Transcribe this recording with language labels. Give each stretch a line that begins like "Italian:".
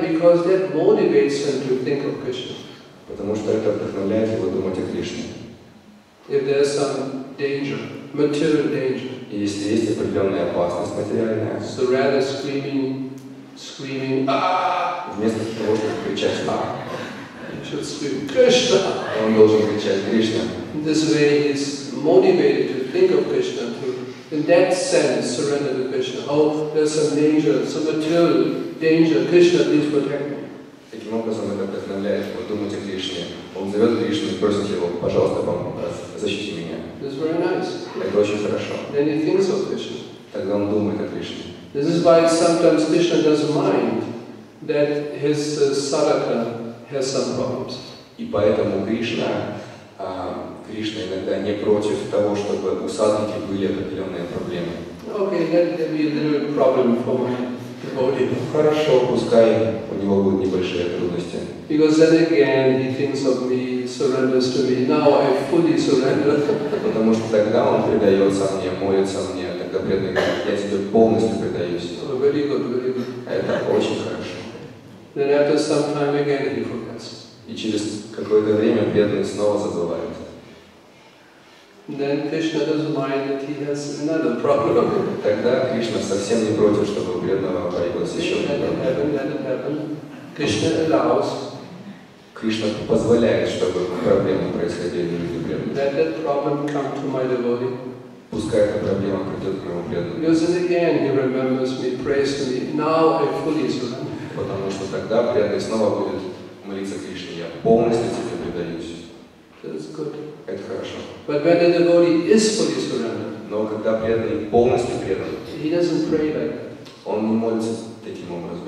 English: Yeah, because that motivates him to think of Krishna.
Russian: Потому что это вдохновляет его думать о Кришне.
English: If there is some danger, material danger.
Russian: И если есть определенная опасность материальная.
English: So rather screaming,
Russian: вместо того, чтобы кричать «А!»,
English: should scream Krishna.
Russian: Он должен кричать Кришна.
English: This way he is motivated to think of Krishna. In that sense, surrender to Krishna. Oh, there's some danger, some material danger. Krishna, please protect me.
Russian: Таким образом, это вдохновляет его думать о Кришне. Он зовет Кришну и просит его, пожалуйста, помоги, защити меня.
English: This is very nice.
Russian: Это очень хорошо.
English: Then he thinks of Krishna.
Russian: Тогда он думает о Кришне.
English: This is why sometimes Krishna doesn't mind that his sadhaka has some problems.
Russian: И поэтому Кришна Кришна иногда не против того, чтобы у садхаки были определенные проблемы.
English: Okay, that will be a little bit problem for my devotee.
Russian: Хорошо, пускай у него будут небольшие трудности.
English: Because then again he thinks of me, surrenders to me. Now I fully surrender.
Russian: Потому что тогда он предается мне, молится мне, тогда преданный говорит, я тебе полностью предаюсь.
English: Oh, very good, very good.
Russian: Это очень хорошо.
English: Then after some time again he forgets.
Russian: И через какое-то время преданный снова забывает.
English: Then Krishna doesn't mind that he has another problem.
Russian: Тогда Кришна совсем не против, чтобы у преданного появилось еще одно.
English: Krishna allows.
Russian: Кришна позволяет, чтобы проблемы происходили в жизни преданного.
English: Let that problem come to my devotee.
Russian: Пускай эта проблема придет к моему преданному.
English: Because then again he remembers me, prays to me. Now I fully surrender.
Russian: Потому что тогда преданный снова будет молиться Кришне, я полностью тебе предаюсь.
English: That's good.
Russian: Это хорошо.
English: But when the devotee is fully surrendered,
Russian: но когда преданный полностью предан,
English: he doesn't pray like that.
Russian: Он не молится таким образом.